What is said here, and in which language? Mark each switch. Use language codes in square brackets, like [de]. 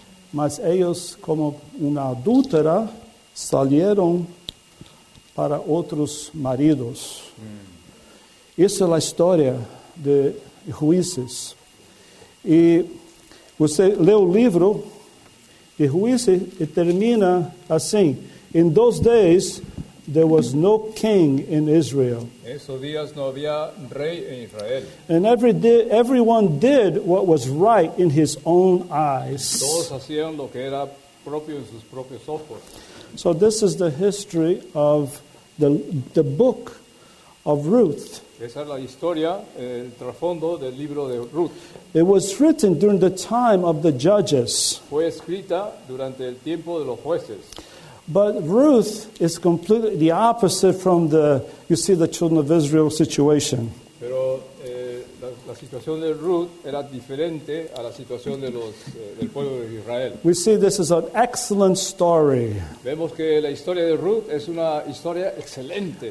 [es] Mas ellos, como una adúltera, salieron para otros maridos. Esa es la historia de Jueces. Y usted lee el libro de Jueces y termina así. [en] In those days, there was no king in Israel. [es] Esos días no había rey en Israel. [en] And everyone did what was right in his own eyes. [es] Todos hacían lo que era propio en sus propios ojos. [en] So this is the history of the book of Ruth. [es] Esa es la historia, el trasfondo del libro de Ruth. [en] It was written during the time of the judges. [es] Fue escrita durante el tiempo de los jueces. [en] But Ruth is completely the opposite from the children of Israel situation. [es] Pero la situación de Ruth era diferente a la situación de los del pueblo de Israel. [en] We see this is an excellent story. [es] Vemos que la historia de Ruth es una historia excelente.